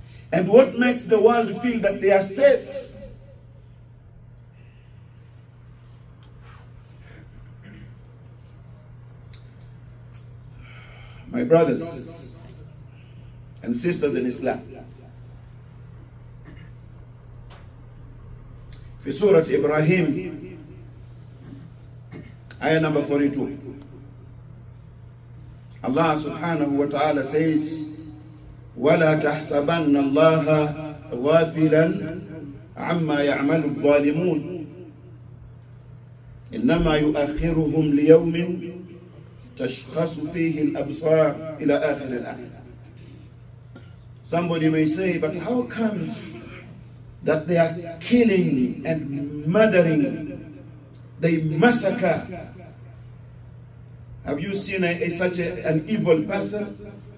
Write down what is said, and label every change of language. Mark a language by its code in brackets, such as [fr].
[en] And what makes the world feel that they are safe? My my brothers and sisters in Islam. In Surah Ibrahim, ayah number 42, Allah subhanahu wa ta'ala says, [ar] وَلَا تَحْسَبَنَّ اللَّهَ غَافِلًا عَمَّا يَعْمَلُ الظَّالِمُونَ إِنَّمَا يُؤَخِّرُهُمْ لِيَوْمٍ تَشْخَصُ فِيهِ الْأَبْصَارُ إِلَىٰ آخِرِ الْآيَةِ. [en] Somebody may say, but how comes that they are killing and murdering? They massacre. Have you seen such an evil person?